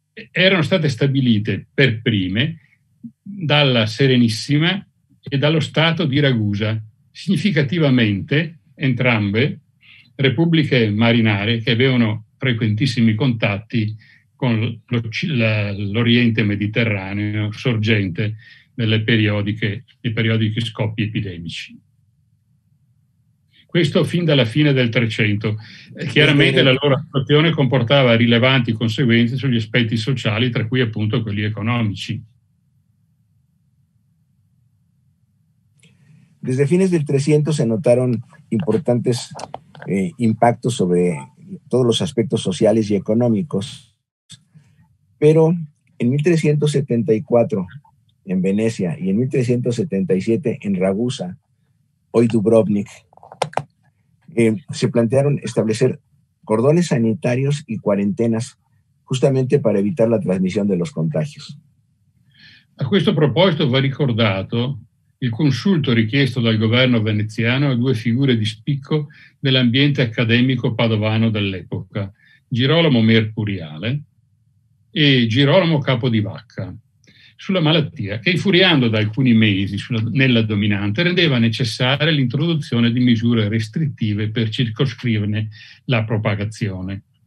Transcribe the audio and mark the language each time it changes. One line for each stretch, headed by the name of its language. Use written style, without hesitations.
Italian: erano state stabilite per prime dalla Serenissima e dallo Stato di Ragusa, significativamente entrambe repubbliche marinare che avevano frequentissimi contatti con l'Oriente Mediterraneo sorgente nelle periodiche scoppi epidemici. Questo fin dalla fine del 300. Chiaramente la loro attuazione comportava rilevanti conseguenze sugli aspetti sociali, tra cui appunto quelli economici.
Spanish: Desde fines del 300 se notaron importantes impactos sobre todos los aspectos sociales y económicos. Pero en 1374 en Venecia y en 1377 en Ragusa, hoy Dubrovnik, se plantearon establecer cordones sanitarios y cuarentenas justamente para evitar la transmisión de los contagios.
Italian: A questo proposito va ricordato il consulto richiesto dal governo veneziano a due figure di spicco dell'ambiente accademico padovano dell'epoca, Girolamo Mercuriale e Girolamo Capodivacca, sulla malattia che, infuriando da alcuni mesi nella dominante, rendeva necessaria l'introduzione di misure restrittive per circoscriverne la propagazione.